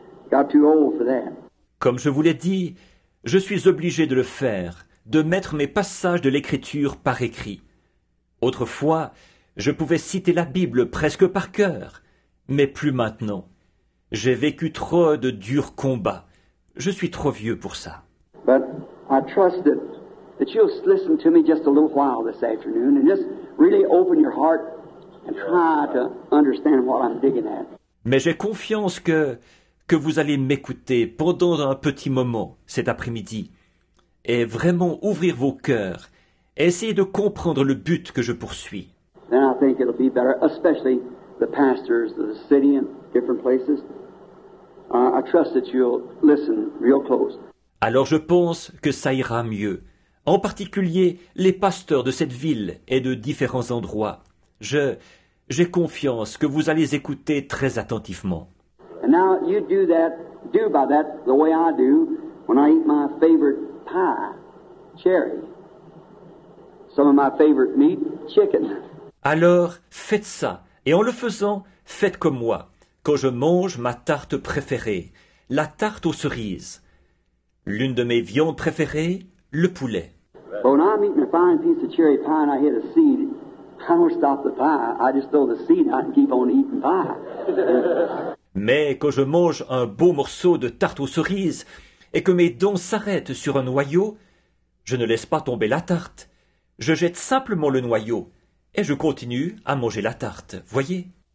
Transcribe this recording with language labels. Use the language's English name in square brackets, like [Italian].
[English] Got too old for that. [French] Comme je vous l'ai dit, je suis obligé de le faire, de mettre mes passages de l'Écriture par écrit. Autrefois, je pouvais citer la Bible presque par cœur, mais plus maintenant. J'ai vécu trop de durs combats. Je suis trop vieux pour ça. [English] But I trust that you'll listen to me just a little while this afternoon and just really open your heart and try to understand what I'm digging at. [French] Mais j'ai confiance que vous allez m'écouter pendant un petit moment cet après-midi et vraiment ouvrir vos cœurs, essayer de comprendre le but que je poursuis. [English] Then I think it'll be better, especially the pastors of the city and different places. I trust that you'll listen real close. [French] Alors je pense que ça ira mieux, en particulier les pasteurs de cette ville et de différents endroits. J'ai confiance que vous allez écouter très attentivement. [English] And now you do that, do by that the way I do when I eat my favorite pie, cherry. Some of my favorite meat, chicken. [French] Alors faites ça, et en le faisant, faites comme moi. Quand je mange ma tarte préférée, la tarte aux cerises. L'une de mes viandes préférées, le poulet. [English] When I'm eating a fine piece of cherry pie and I hit a seed, I don't stop the pie, I just throw the seed out and keep on eating pie. [French] Mais quand je mange un beau morceau de tarte aux cerises et que mes dents s'arrêtent sur un noyau, je ne laisse pas tomber la tarte. Je jette simplement le noyau et je continue à manger la tarte. Voyez.